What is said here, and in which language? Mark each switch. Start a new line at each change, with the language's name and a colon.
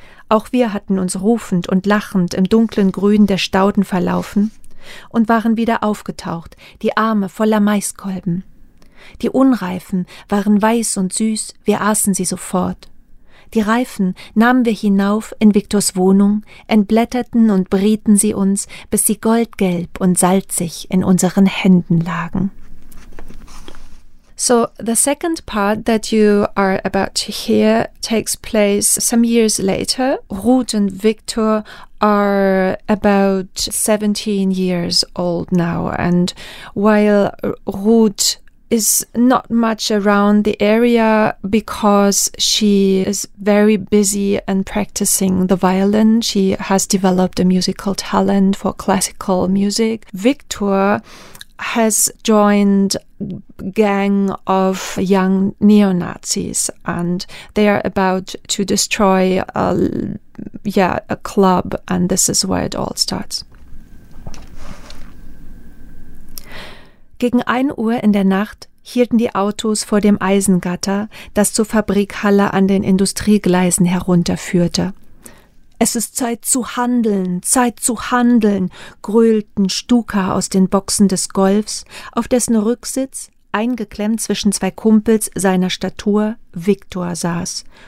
German: Auch wir hatten uns rufend und lachend im dunklen Grün der Stauden verlaufen und waren wieder aufgetaucht, die Arme voller Maiskolben. Die Unreifen waren weiß und süß, wir aßen sie sofort. Die Reifen nahmen wir hinauf in Victors Wohnung, entblätterten und brieten sie uns, bis sie goldgelb und salzig in unseren Händen lagen.
English: So the second part that you are about to hear takes place some years later. Ruth and Victor are about 17 years old now. And while Ruth is not much around the area because she is very busy and practicing the violin, she has developed a musical talent for classical music. Victor has joined gang of young neo-Nazis and they are about to destroy a club, and this is where it all starts.
German: Gegen 1 Uhr in der Nacht hielten die Autos vor dem Eisengatter, das zur Fabrikhalle an den Industriegleisen herunterführte. Es ist Zeit zu handeln, gröhlten Stuka aus den Boxen des Golfs, auf dessen Rücksitz, eingeklemmt zwischen zwei Kumpels seiner Statur, Victor saß.